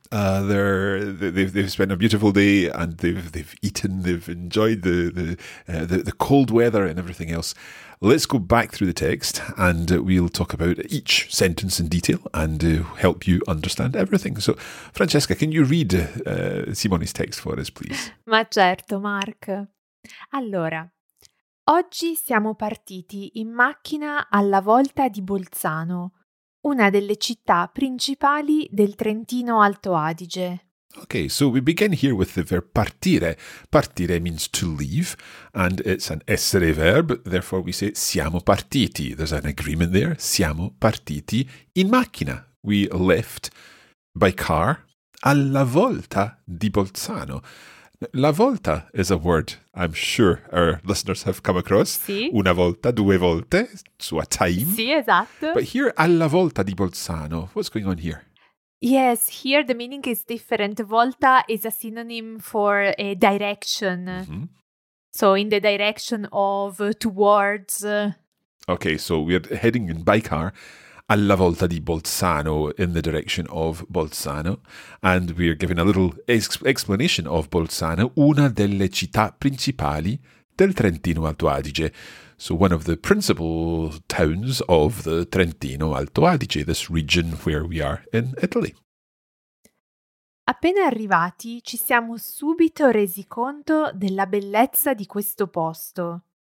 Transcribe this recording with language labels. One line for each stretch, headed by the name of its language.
English: They've spent a beautiful day and they've eaten, they've enjoyed the cold weather and everything else. Let's go back through the text and we'll talk about each sentence in detail and help you understand everything. So, Francesca, can you read Simone's text for us, please?
Italian: Ma certo, Mark. Allora. Oggi siamo partiti in macchina alla volta di Bolzano, una delle città principali del Trentino Alto Adige.
English: Okay, so we begin here with the verb partire. Partire means to leave, and it's an essere verb, therefore we say
Italian: siamo partiti.
English: There's an agreement there.
Italian: Siamo partiti in macchina.
English: We left by car
Italian: alla volta di Bolzano.
English: La volta is a word I'm sure our listeners have come across.
Italian: Sì. Una volta, due volte,
English: so a time.
Italian: Sì, esatto.
English: But here,
Italian: alla volta di Bolzano,
English: what's going on here? Yes, here the meaning is different. Volta is a synonym for a direction. Mm-hmm. So in the direction of, towards. Okay, so we're heading in by car.
Italian: Alla volta di Bolzano,
English: in the direction of Bolzano. And we are giving a little explanation of Bolzano,
Italian: una delle città principali del Trentino Alto Adige.
English: So one of the principal towns of the Trentino Alto Adige, this region where we are in Italy.
Italian: Appena arrivati, ci siamo subito resi conto della bellezza di questo posto.